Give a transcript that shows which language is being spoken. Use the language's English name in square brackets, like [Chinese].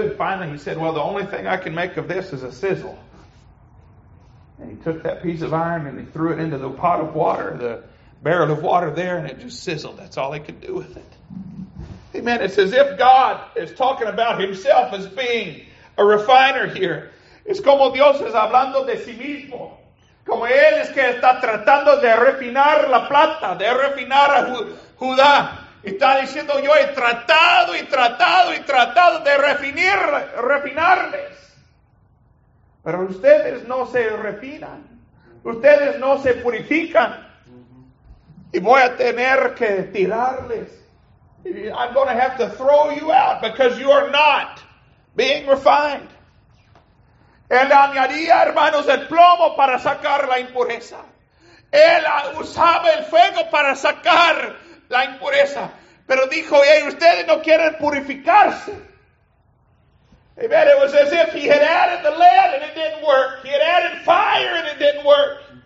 [English] And finally he said, well, the only thing I can make of this is a sizzle. And he took that piece of iron and he threw it into the pot of water, the barrel of water there, and it just sizzled. That's all he could do with it. Amen. It's as if God is talking about himself as being a refiner here. [Spanish] Es como Dios es hablando de sí mismo. Como Él es que está tratando de refinar la plata, de refinar a Judá. Y está diciendo, yo he tratado y tratado y tratado de refinarles. Pero ustedes no se refinan. Ustedes no se purifican. Y voy a tener que tirarles. [English] I'm going to have to throw you out because you are not being refined. [Spanish] Él añadía, hermanos, el plomo para sacar la impureza. Él usaba el fuego para sacar la impureza. Pero dijo, hey, ustedes no quieren purificarse. [English] Amen. It was as if he had added the lead and it didn't work. He had added fire and it didn't work.